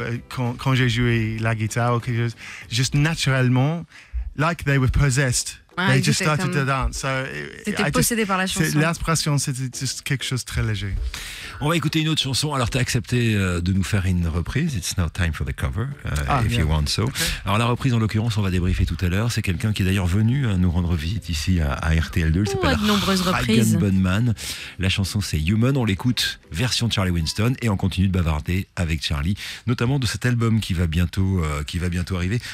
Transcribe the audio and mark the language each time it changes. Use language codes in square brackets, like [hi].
[fr] Quand j'ai joué la guitare ou quelque chose, juste naturellement, [en] like they were possessed. They just started to dance. So [fr] c'était possédé par la chanson. L'inspiration, c'était juste quelque chose de très léger. On va écouter une autre chanson. Alors, tu as accepté de nous faire une reprise. [en] It's now time for the cover, you want so. Okay. [fr] Alors, la reprise, en l'occurrence, on va débriefer tout à l'heure. C'est quelqu'un qui est d'ailleurs venu nous rendre visite ici à RTL2. Il s'appelle Hagen Bunman. La chanson, c'est Human. On l'écoute, version Charlie Winston. Et on continue de bavarder avec Charlie, notamment de cet album qui va bientôt arriver.